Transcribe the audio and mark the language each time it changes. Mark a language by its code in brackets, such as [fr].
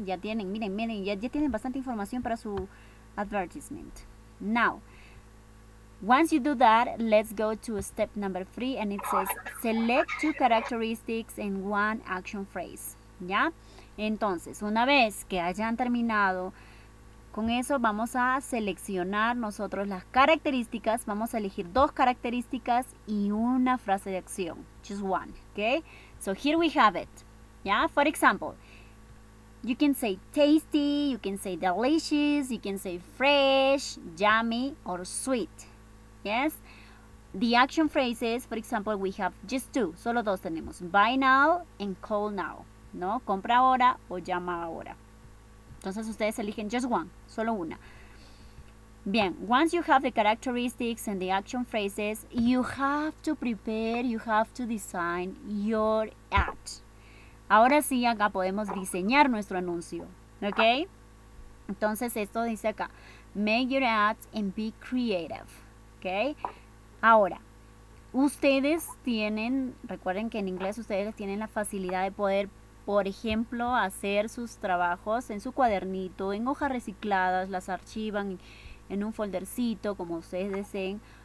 [es] Ya tienen, miren, ya tienen bastante información para su advertisement. [en] Now, once you do that, let's go to step number three, and it says, select two characteristics and one action phrase, ¿ya? [es] Entonces, una vez que hayan terminado con eso, vamos a seleccionar nosotros las características, vamos a elegir dos características y una frase de acción, [en] just one, okay? So, here we have it, ¿ya? For example, you can say tasty, you can say delicious, you can say fresh, yummy, or sweet. Yes, the action phrases, for example, we have just two, [es] solo dos tenemos, [en] buy now and call now, ¿no? [es] Compra ahora o llama ahora. Entonces, ustedes eligen [en] just one, [es] solo una. [en] Bien, once you have the characteristics and the action phrases, you have to prepare, you have to design your ad. [es] Ahora sí, acá podemos diseñar nuestro anuncio, ¿ok? Entonces, esto dice acá, [en] make your ads and be creative. Okay. [es] Ahora, ustedes tienen, recuerden que en inglés ustedes tienen la facilidad de poder, por ejemplo, hacer sus trabajos en su cuadernito, en hojas recicladas, las archivan en un foldercito, como ustedes deseen.